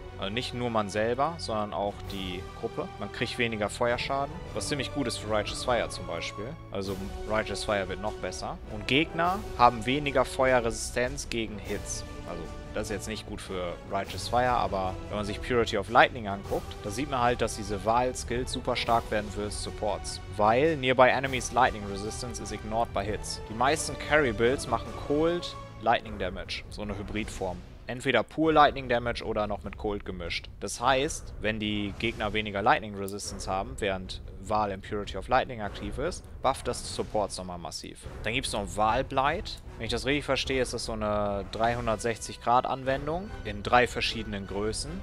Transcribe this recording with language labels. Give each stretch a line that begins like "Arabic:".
German: Also nicht nur man selber, sondern auch die Gruppe. Man kriegt weniger Feuerschaden, was ziemlich gut ist für Righteous Fire zum Beispiel. Also Righteous Fire wird noch besser. Und Gegner haben weniger Feuerresistenz gegen Hits. Also das ist jetzt nicht gut für Righteous Fire, aber wenn man sich Purity of Lightning anguckt, da sieht man halt, dass diese Wahl-Skills super stark werden für Supports. Weil
English: Nearby Enemies Lightning Resistance is ignored by Hits.
German: Die meisten Carry-Builds machen Cold Lightning Damage, so eine Hybridform. Entweder pur Lightning Damage oder noch mit Cold gemischt. Das heißt, wenn die Gegner weniger Lightning Resistance haben, während Wahl Impurity of Lightning aktiv ist, bufft das Supports nochmal massiv. Dann gibt es noch Wahlblight. Wenn ich das richtig verstehe, ist das so eine 360-Grad-Anwendung in drei verschiedenen Größen.